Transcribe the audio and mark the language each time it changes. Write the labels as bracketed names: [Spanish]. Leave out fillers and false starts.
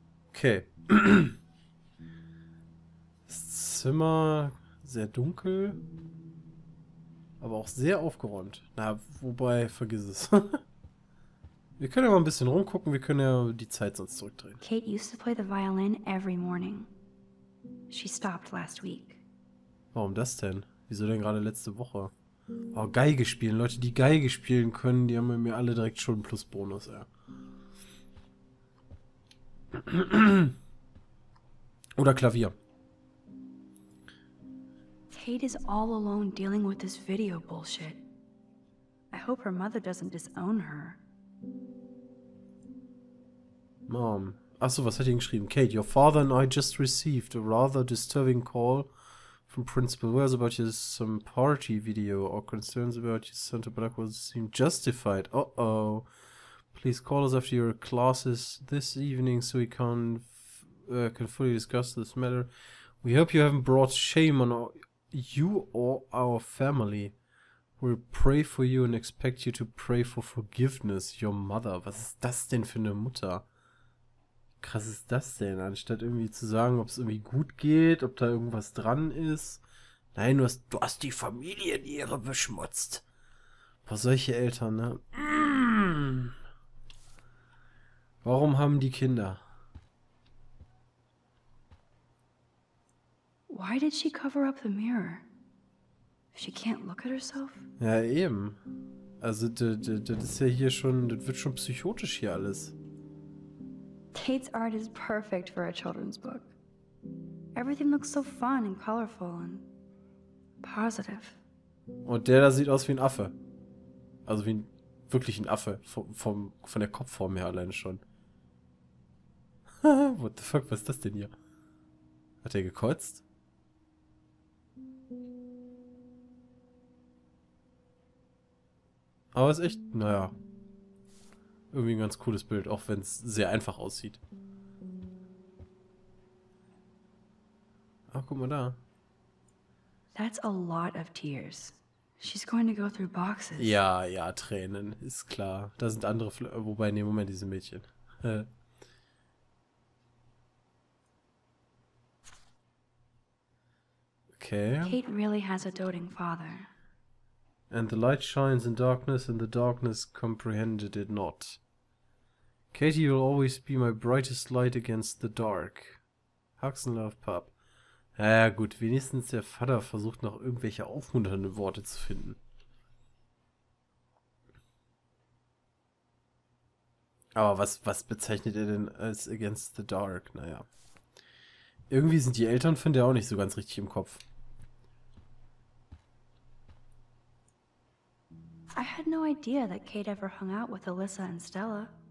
[English] Okay. [German] Das Zimmer sehr dunkel, aber auch sehr aufgeräumt. Na, wobei, vergiss es. Wir können ja mal ein bisschen rumgucken, wir können ja die Zeit sonst zurückdrehen. [English] Kate used to play the violin every morning. She stopped last week. [German] Warum das denn? Wieso denn gerade letzte Woche? Oh, Geige spielen. Leute, die Geige spielen können, die haben mir alle direkt schon einen Plusbonus, ja. Oder Klavier. [English] Kate is all alone dealing with this video bullshit. I hope her mother doesn't disown her. Mom. [German] Achso, was hat ihr geschrieben? [English] Kate, your father and I just received a rather disturbing call from Principal Wells about your some party video. Our concerns about your Santa Black was seem justified. Uh-oh. Please call us after your classes this evening so we can fully discuss this matter. We hope you haven't brought shame on you or our family. We'll pray for you and expect you to pray for forgiveness. Your mother. [German] Was ist das denn für eine Mutter? Krass ist das denn? Anstatt irgendwie zu sagen, ob es irgendwie gut geht, ob da irgendwas dran ist. Nein, du hast die Familienehre beschmutzt. Boah, solche Eltern, ne? Warum haben die Kinder? [English] Why did she cover up the mirror? She can't look at herself? [German] Ja, eben. Also, das ist ja hier schon, das wird schon psychotisch hier alles. [English] Kate's art is perfect for a children's book. Everything looks so fun and colorful and positive. [German] Und der da sieht aus wie ein Affe. Also wie ein, wirklich ein Affe. Von der Kopfform her alleine schon. [English] What the fuck, [German] was ist das denn hier? Hat der gekotzt? Aber ist echt, naja. Irgendwie ein ganz cooles Bild, auch wenn es sehr einfach aussieht. Ach, guck mal da. [English] That's a lot of tears. She's going to go through boxes. [German] Ja, ja, Tränen, ist klar. Da sind andere, wobei, nee, Moment, diese Mädchen. Okay. [English] Kate really has a doting father. And the light shines in darkness and the darkness comprehended it not. Katie will always be my brightest light against the dark. Hugs and love, Pop. [German] Ja, gut, wenigstens der Vater versucht noch irgendwelche aufmunternde Worte zu finden. Aber was bezeichnet er denn als [English] against the dark? [German] Naja. Irgendwie sind die Eltern von der auch nicht so ganz richtig im Kopf. [English] I had no idea that Kate ever hung out with Alyssa and Stella.